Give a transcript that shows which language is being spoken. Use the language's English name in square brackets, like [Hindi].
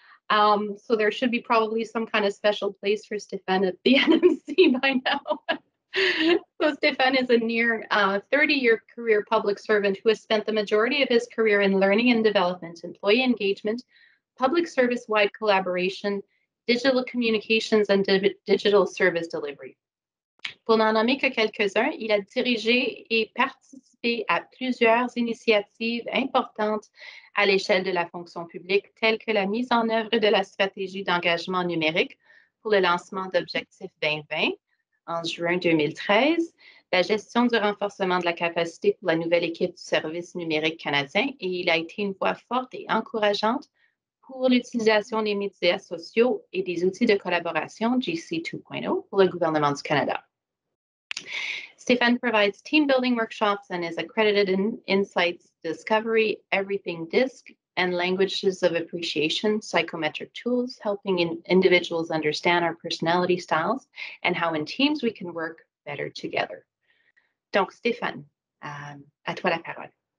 [English] So there should be probably some kind of special place for Stéphane at the NMC by now. So Stéphane is a near 30-year career public servant who has spent the majority of his career in learning and development, employee engagement, public service-wide collaboration, digital communications, and digital service delivery. [French] Pour n'en nommer que quelques-uns, il a dirigé et participé à plusieurs initiatives importantes à l'échelle de la fonction publique, telles que la mise en œuvre de la stratégie d'engagement numérique pour le lancement d'Objectif 2020 en juin 2013, la gestion du renforcement de la capacité pour la nouvelle équipe du service numérique canadien, et il a été une voix forte et encourageante pour l'utilisation des médias sociaux et des outils de collaboration GC 2.0 pour le gouvernement du Canada. [English] Stéphane provides team building workshops and is accredited in Insights Discovery, Everything Disc, and Languages of Appreciation, psychometric tools helping individuals understand our personality styles and how in teams we can work better together. [French] Donc Stéphane, à toi la parole.